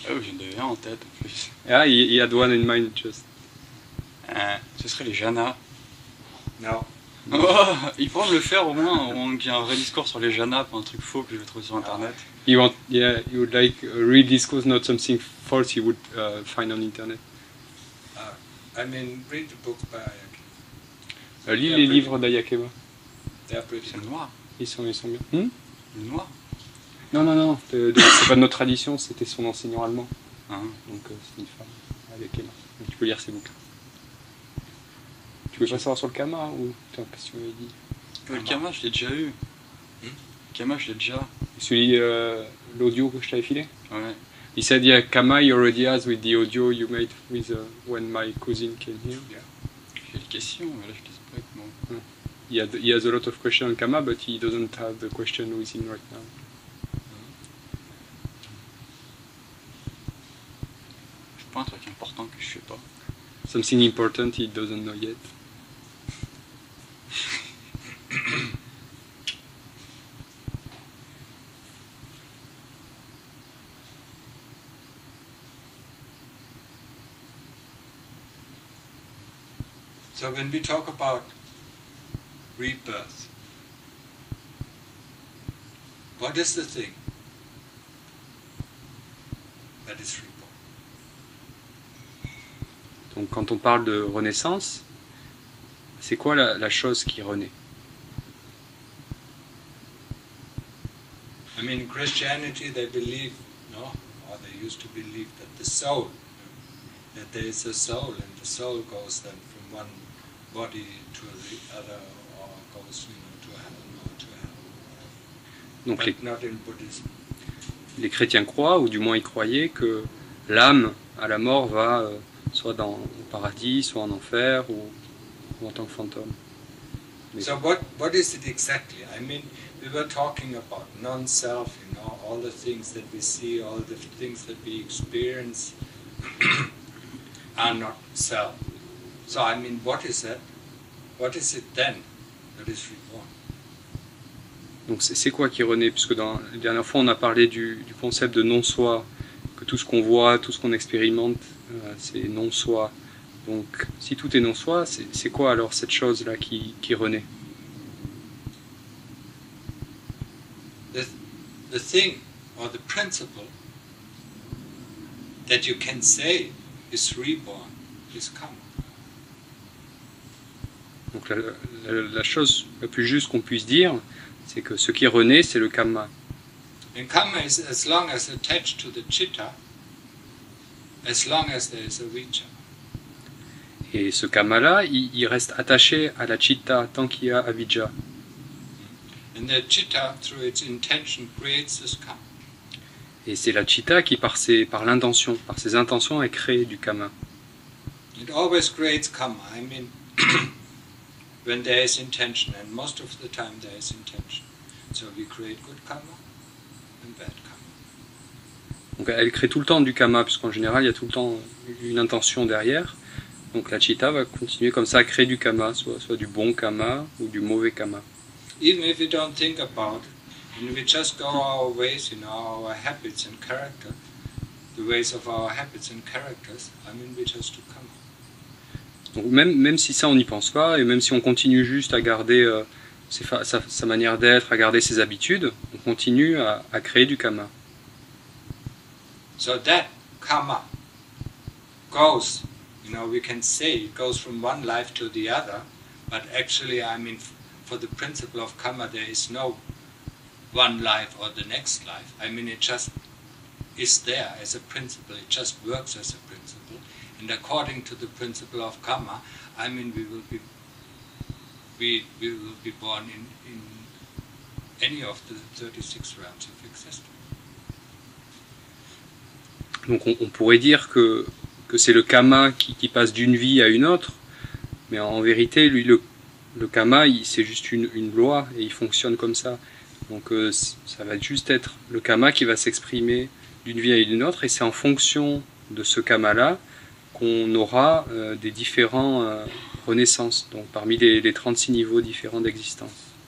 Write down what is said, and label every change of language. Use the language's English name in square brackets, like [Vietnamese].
[French] Oh, j'en ai un en tête en plus. [English] Yeah, he had one in mind just. [French] Ce serait les jhanas. Non. Oh, il pourrait me le faire au moins, au moins qu'il y ait un vrai discours sur les jhanas, pas un truc faux que je vais trouver sur internet. [English] He want, yeah, he would like a real discourse, not something false he would find on internet. I mean, read the book by [French] Ayakeba. Lis les livres d'Ayakeba. Ils sont noirs. Ils sont bien. Ils noirs. Non, c'est pas de notre tradition, c'était son enseignant allemand. Hein? Donc c'est une femme avec Emma. Donc, tu peux lire ses bouquins. Tu veux pas savoir sur le Kamma ou qu'est-ce que tu m'avais dit? Ouais, le Kamma, je l'ai déjà eu. Kamma, je l'ai déjà. Celui, l'audio que je t'avais filé? Ouais. Il s'est dit, [English] Kamma, you already has with the audio you made with when my cousin came here. Yeah. [French] J'ai des questions, mais là je les ai pas. Bon. [English] He has a lot of questions on Kamma, but he doesn't have the question with him right now. [French] Un truc important que je sais pas. [English] Something important he doesn't know yet. So when we talk about rebirth, what is the thing that is rebirth? [French] Donc quand on parle de renaissance, c'est quoi la chose qui renaît? [English] I mean, Christianity, they believe, no, or they used to believe that the soul, that there is a soul, and the soul goes then from one body to the other, or goes, you know, to heaven or to hell. [French] Donc [English] but [French] les, [English] not in Buddhism. [French] Les chrétiens croient, ou du moins ils croyaient, que l'âme à la mort va soit dans au paradis, soit en enfer, ou en tant que fantôme. Mais [English] so what is it exactly? I mean, we were talking about non-self, you know, all the things that we see, all the things that we experience are not self. So I mean, what is that? What is it then that is reborn? [French] Donc c'est quoi qui renaît? Puisque dans la dernière fois on a parlé du concept de non-soi, que tout ce qu'on voit, tout ce qu'on expérimente, c'est non-soi. Donc, si tout est non-soi, c'est quoi alors cette chose-là qui renaît? [English] The thing or the principle that you can say is reborn is kamma. [French] Donc la chose la plus juste qu'on puisse dire, c'est que ce qui renaît, c'est le kamma. [English] And kamma is as long as attached to the citta. As long as there is a vicha. [French] Et ce kamala, il reste attaché à la citta tant qu'il y a avijja. [English] And the citta, through its intention, creates this kamma. [French] Et c'est la citta qui, par l'intention, par ses intentions, a créé du kamma. [English] It always creates kamma. I mean, when there is intention, and most of the time there is intention, so we create good kamma and bad kamma. [French] Donc elle crée tout le temps du kamma, puisqu'en général il y a tout le temps une intention derrière. Donc la citta va continuer comme ça à créer du kamma, soit du bon kamma ou du mauvais kamma. [English] Even if we don't think about it, and we just go our ways, you know, our habits and character, the ways of our habits and characters, I mean we just do kamma. [French] Donc même si ça on n'y pense pas, et même si on continue juste à garder sa manière d'être, à garder ses habitudes, on continue à créer du kamma. [English] So that kamma goes, you know, we can say it goes from one life to the other, but actually, I mean, for the principle of karma, there is no one life or the next life. I mean, it just is there as a principle, it just works as a principle. And according to the principle of karma, I mean, we will be born in any of the 36 realms of existence. [French] Donc on pourrait dire que c'est le kamma qui passe d'une vie à une autre, mais en vérité, lui, le kamma, c'est juste une loi et il fonctionne comme ça. Donc ça va juste être le kamma qui va s'exprimer d'une vie à une autre, et c'est en fonction de ce kamma-là qu'on aura des différents renaissances, donc parmi les 36 niveaux différents d'existence.